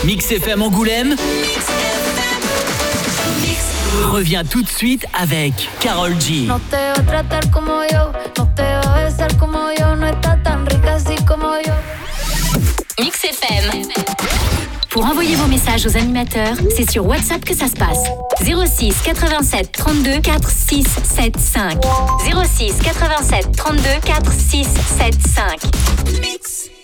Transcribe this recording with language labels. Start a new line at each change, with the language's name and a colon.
French: FM Angoulême revient tout de suite avec Karol G.
Spanish: No te va a tratar como yo, no te va a besar como yo, no está tan rica así como yo.
French: Mix FM. Pour envoyer vos messages aux animateurs, c'est sur WhatsApp que ça se passe. 06 87 32 4 6 7 5. 06 87 32 4 6 7 5.